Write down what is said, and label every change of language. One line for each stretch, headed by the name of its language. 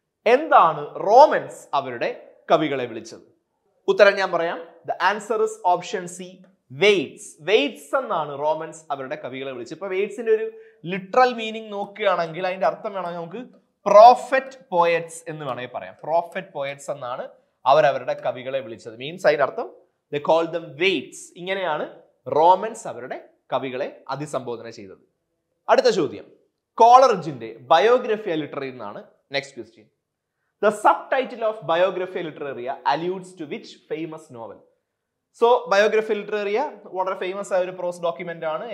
Malayalam: എന്താണ് റോമൻസ് അവരുടെ കവികളെ വിളിച്ചത്? ഉത്തരം ഞാൻ പറയാം.
English: The answer is option C waits.
Malayalam: Weights എന്നാണ് റോമൻസ് അവരുടെ കവികളെ വിളിച്ചത്. ഇപ്പൊ വെയ്റ്റ്സിന്റെ ഒരു ലിറ്ററൽ മീനിങ് നോക്കുകയാണെങ്കിൽ അതിന്റെ അർത്ഥം വേണമെങ്കിൽ നമുക്ക് പ്രോഫറ്റ് പോയറ്റ്സ് എന്ന് വേണമെങ്കിൽ പറയാം. പ്രോഫറ്റ് പോയറ്റ്സ് എന്നാണ് അവരവരുടെ കവികളെ വിളിച്ചത്. മീൻസ് അതിന്റെ അർത്ഥം
English: they called them weights.
Malayalam: ഇങ്ങനെയാണ് റോമൻസ് അവരുടെ കവികളെ അതിസംബോധന ചെയ്തത്. അടുത്ത ചോദ്യം, കോളറിഡ്ജിന്റെ ബയോഗ്രഫിയ ലിറ്റററി എന്നാണ് next question.
English: The subtitle of Biographia Literaria alludes to which famous novel?
Malayalam: So ബയോഗ്രഫിയ ലിറ്റററിയ വളരെ ഫേമസ് ആയ ഒരു പ്രോസ് ഡോക്യുമെന്റ് ആണ്.